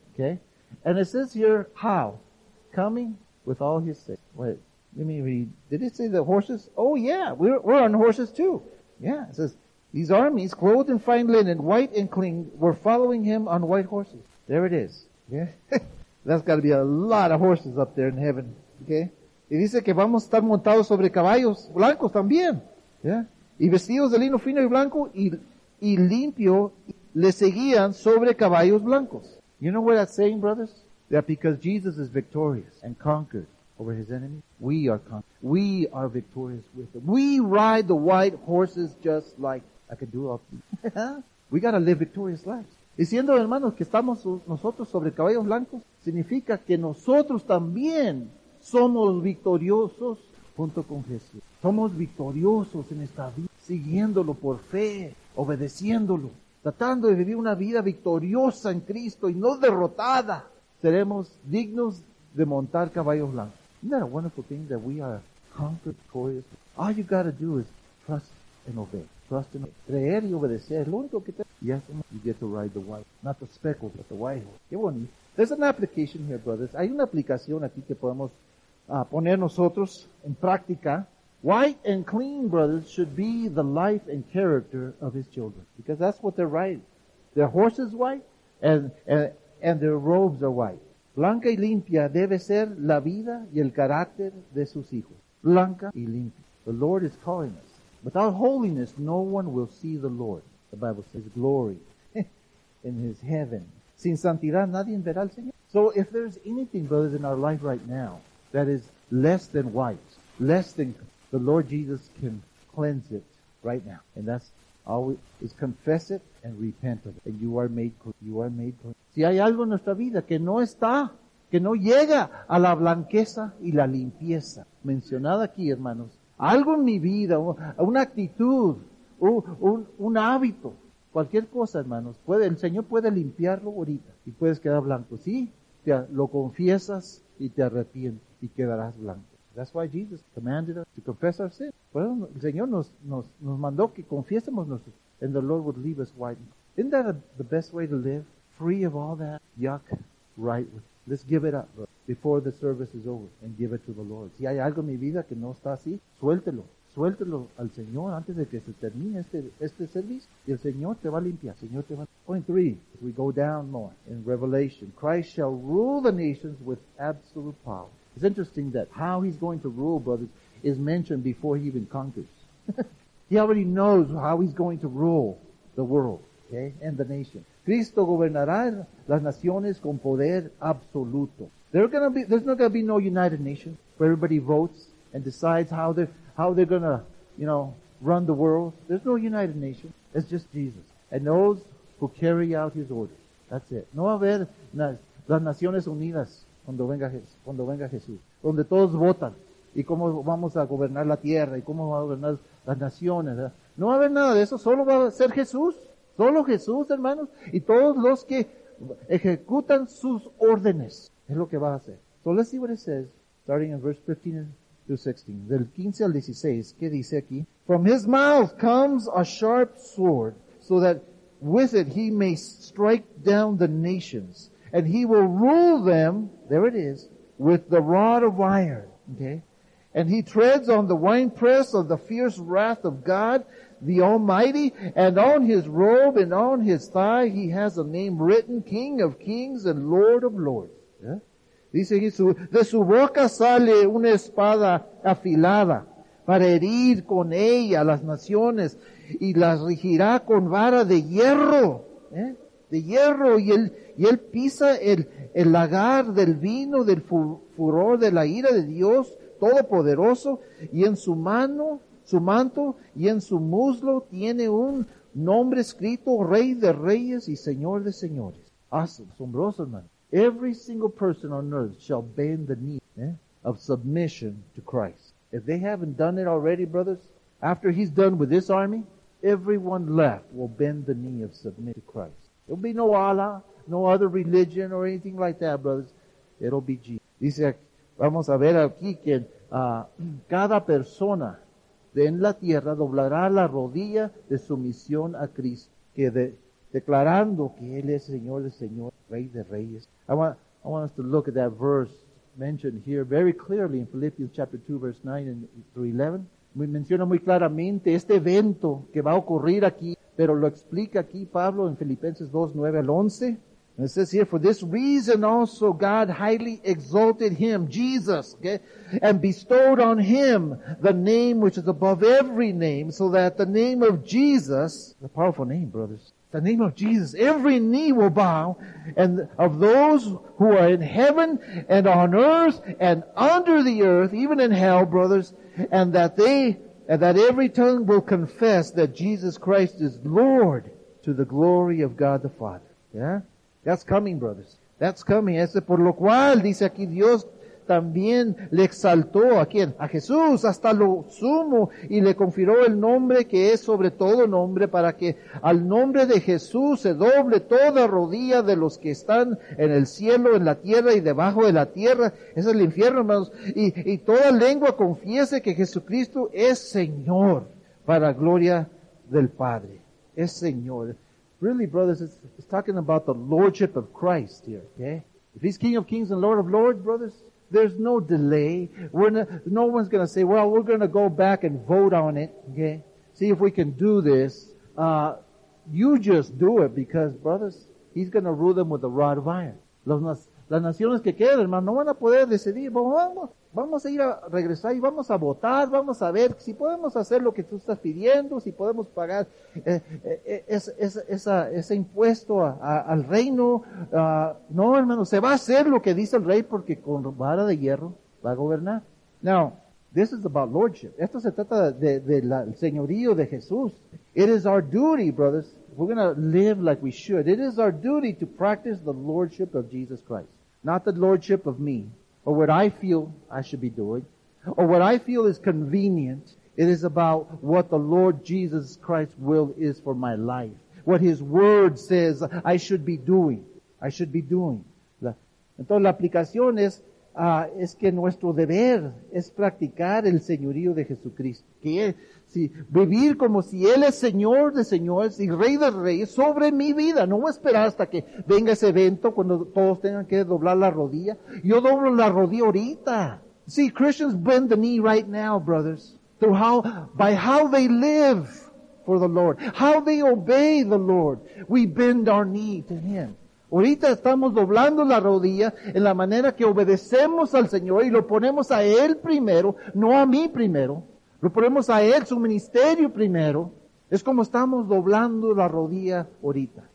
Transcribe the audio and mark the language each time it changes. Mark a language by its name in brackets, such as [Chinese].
[English] Okay? And it says here, how? Coming with all his saints. Wait. Let me read. Did it say the horses? Oh, yeah. We're on horses, too. Yeah. It says, these armies, clothed in fine linen, white and clean, were following him on white horses. There it is. Yeah. That's got to be a lot of horses up there in heaven. Okay. [Spanish] Y dice que vamos a estar montados sobre caballos blancos también. [English] Yeah. [Spanish] Y vestidos de lino fino y blanco y y limpio le seguían sobre caballos blancos. [English] You know what that's saying, brothers? That because Jesus is victorious and conquered over his enemy, we are conquered. We are victorious with him. We ride the white horses just like I could do all of you. We gotta live victorious lives. [Spanish] Diciendo, hermanos, que estamos nosotros sobre caballos blancos, significa que nosotros también somos victoriosos junto con Jesús. Somos victoriosos en esta vida, siguiéndolo por fe, obedeciéndolo, tratando de vivir una vida victoriosa en Cristo y no derrotada. Seremos dignos de montar caballos blancos. [English] Isn't that a wonderful thing that we are conquered victorious? All you gotta do is trust and obey. Trust and obey. [Spanish] Creer y obedecer. Lo único que te... [English] Yes, you get to ride the white. Not the speckled, but the white. [Spanish] Qué bonito. [English] There's an application here, brothers. [Spanish] Hay una aplicación aquí que podemos poner nosotros en práctica. [English] White and clean, brothers, should be the life and character of his children. Because that's what they're riding. Their horse is white and their robes are white. [Spanish] Blanca y limpia debe ser la vida y el carácter de sus hijos. Blanca y limpia. [English] The Lord is calling us. Without holiness, no one will see the Lord. The Bible says, his glory in his heaven. [Spanish] Sin santidad, nadie verá al Señor. [English] So if there's anything, brothers, in our life right now that is less than white, less than, the Lord Jesus can cleanse it right now. And that's always, is confess it and repent of it. And you are made clean. You are made clean. [Spanish] Si hay algo en nuestra vida que no está, que no llega a la blanqueza y la limpieza mencionada aquí, hermanos, algo en mi vida, una actitud, un hábito, cualquier cosa, hermanos, puede, el Señor puede limpiarlo ahorita y puedes quedar blanco. Sí, te, lo confiesas y te arrepientes y quedarás blanco. [English] That's why Jesus commanded us to confess our sin. [Spanish] Bueno, el Señor nos mandó que confiésemos nuestro [English] sin. And the Lord would leave us white. Isn't that the best way to live? Free of all that yuck, right? Let's give it up, bro, before the service is over, and give it to the Lord. [Spanish] Si hay algo en mi vida que no está así, suéltelo. Suéltelo al Señor antes de que se termine este servicio. Y el Señor te va a limpiar. El Señor te va a... [English] Point three, as we go down more in Revelation, Christ shall rule the nations with absolute power. It's interesting that how he's going to rule, brothers, is mentioned before he even conquers. He already knows how he's going to rule the world, okay, and the nation. [Spanish] Cristo gobernará las naciones con poder absoluto. [English] There's not going to be no United Nations where everybody votes and decides how they're going to, you know, run the world. There's no United Nations. It's just Jesus and those who carry out his orders. That's it. [Spanish] No va a haber las Naciones Unidas cuando venga Jesús, donde todos votan y cómo vamos a gobernar la tierra y cómo vamos a gobernar las naciones. ¿Verdad? No va a haber nada de eso. Solo va a ser Jesús. Solo Jesús, hermanos, y todos los que ejecutan sus órdenes. Es lo que va a hacer. [English] So let's see what it says, starting in verse 15 through 16. [Spanish] Del 15 al 16, ¿qué dice aquí? [English] From his mouth comes a sharp sword, so that with it he may strike down the nations. And he will rule them, there it is, with the rod of iron. Okay? And he treads on the winepress of the fierce wrath of God, the Almighty, and on his robe and on his thigh he has a name written, King of Kings and Lord of Lords. Yeah. [Spanish] Dice Jesús, de su boca sale una espada afilada para herir con ella las naciones y las regirá con vara de hierro. [English] Yeah. [Spanish] De hierro, y él pisa el lagar del vino, del furor, de la ira de Dios Todopoderoso, y en su mano... Su manto y en su muslo tiene un nombre escrito, Rey de Reyes y Señor de Señores. [English] Awesome. [Spanish] Asombroso, hermano. [English] Every single person on earth shall bend the knee of submission to Christ. If they haven't done it already, brothers, after he's done with this army, everyone left will bend the knee of submission to Christ. There'll be no Allah, no other religion or anything like that, brothers. It'll be Jesus. [Spanish] Dice, vamos a ver aquí que cada persona en la tierra doblará la rodilla de sumisión a Cristo, que declarando que Él es Señor de Señores, Rey de Reyes. [English] I want us to look at that verse mentioned here very clearly in Philippians chapter 2, verse 9 and through 11. [Spanish] Me menciona muy claramente este evento que va a ocurrir aquí, pero lo explica aquí Pablo en Filipenses 2, 9 al 11. [English] It says here, for this reason also God highly exalted him, Jesus, okay, and bestowed on him the name which is above every name, so that the name of Jesus, a powerful name, brothers, the name of Jesus, every knee will bow, and of those who are in heaven and on earth and under the earth, even in hell, brothers, and that they, and that every tongue will confess that Jesus Christ is Lord to the glory of God the Father. Yeah? That's coming, brothers. That's coming. [Spanish] Ese por lo cual, dice aquí, Dios también le exaltó. ¿A quién? A Jesús, hasta lo sumo, y le confirió el nombre que es sobre todo nombre, para que al nombre de Jesús se doble toda rodilla de los que están en el cielo, en la tierra y debajo de la tierra. Ese es el infierno, hermanos. Y toda lengua confiese que Jesucristo es Señor para gloria del Padre. Es Señor. [English] Really, brothers, it's talking about the Lordship of Christ here, okay? If He's King of Kings and Lord of Lords, brothers, there's no delay. No one's going to say, well, we're going to go back and vote on it, okay? See if we can do this. You just do it because, brothers, He's going to rule them with a rod of iron. [Spanish] Las naciones que quedan, hermano, no van a poder decidir. Vamos a ir a regresar y vamos a votar, vamos a ver si podemos hacer lo que tú estás pidiendo, si podemos pagar ese impuesto al reino. No, hermano, se va a hacer lo que dice el rey, porque con vara de hierro va a gobernar. [English] Now, this is about lordship. [Spanish] Esto se trata del señorío de Jesús. [English] It is our duty, brothers. We're going to live like we should. It is our duty to practice the lordship of Jesus Christ, not the lordship of me, or what I feel I should be doing, or what I feel is convenient. It is about what the Lord Jesus Christ's will is for my life, what His Word says I should be doing. I should be doing. [Spanish] Entonces, la aplicación es que nuestro deber es practicar el señorío de Jesucristo. Que es, si, vivir como si Él es Señor de señores y Rey de reyes sobre mi vida. No voy a esperar hasta que venga ese evento cuando todos tengan que doblar la rodilla. Yo doblo la rodilla ahorita. [English] See, Christians bend the knee right now, brothers, by how they live for the Lord, how they obey the Lord. We bend our knee to Him. [Spanish] Ahorita estamos doblando la rodilla en la manera que obedecemos al Señor y lo ponemos a Él primero, no a mí primero. Lo ponemos a Él, su ministerio primero. Es como estamos doblando la rodilla ahorita.